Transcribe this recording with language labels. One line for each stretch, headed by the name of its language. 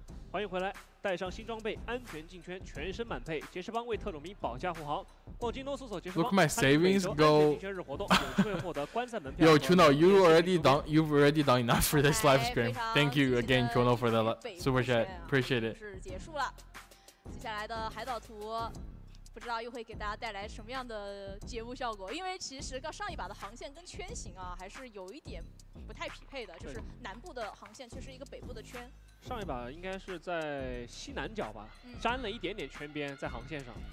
Chinese: 欢迎回来带上新装备安全进圈全身满配杰士邦为特种兵保驾护航逛京东搜索杰士邦
English: Look my savings go
Chinese: 安全进圈日活动有机会获得观赛门票
English: Yo Chuno you've already done enough for this live stream Thank you again Chuno for the super chat Appreciate it
Chinese: 结束了接下来的海岛图不知道又会给大家带来什么样的节目效果因为其实上一把的航线跟圈型啊还是有一点不太匹配的就是南部的航线却是一个北部的圈上一把应该是在西南角吧沾了一点点圈边在航线上